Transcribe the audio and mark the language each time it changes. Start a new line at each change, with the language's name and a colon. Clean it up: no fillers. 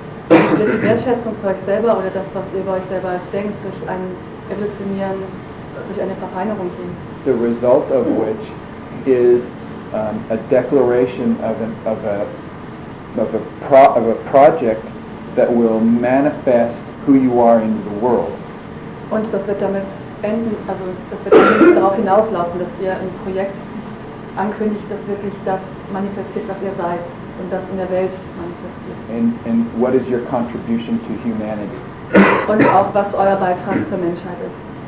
German: Oder die Wertschätzung für euch selber oder das, was ihr über euch selber denkt, durch ein Evolutionieren, durch eine Verfeinerung gehen.
English: The result of which is a declaration of a project that will manifest who you are in the world.
German: Und das wird damit enden, also das wird damit darauf hinauslaufen, dass ihr ein Projekt ankündigt, das wirklich das manifestiert, was ihr seid und das in der Welt manifestiert.
English: And what is your contribution to humanity?
German: Und auch was euer Beitrag zur Menschheit ist.